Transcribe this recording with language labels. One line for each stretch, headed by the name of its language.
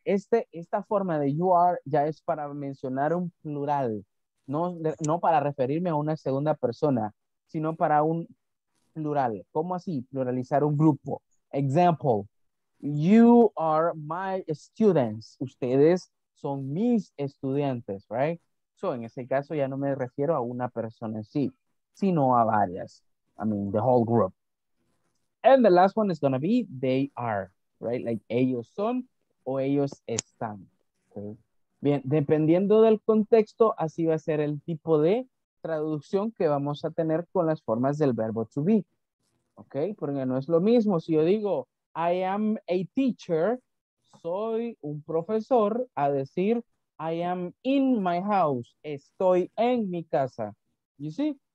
Spanish: Esta forma de you are ya es para mencionar un plural, no para referirme a una segunda persona, sino para un plural. ¿Cómo así? Pluralizar un grupo.
English: Example, you are my students.
Spanish: Ustedes son mis estudiantes, right? So, en ese caso ya no me refiero a una persona en sí, sino a varias.
English: I mean, the whole group. And the last one is going to be they are, right?
Spanish: Like ellos son o ellos están. Okay? Bien, dependiendo del contexto, así va a ser el tipo de traducción que vamos a tener con las formas del verbo to be, ¿ok? Porque no es lo mismo si yo digo
English: I am a teacher,
Spanish: soy un profesor, a decir
English: I am in my house,
Spanish: estoy en mi casa.
English: You see?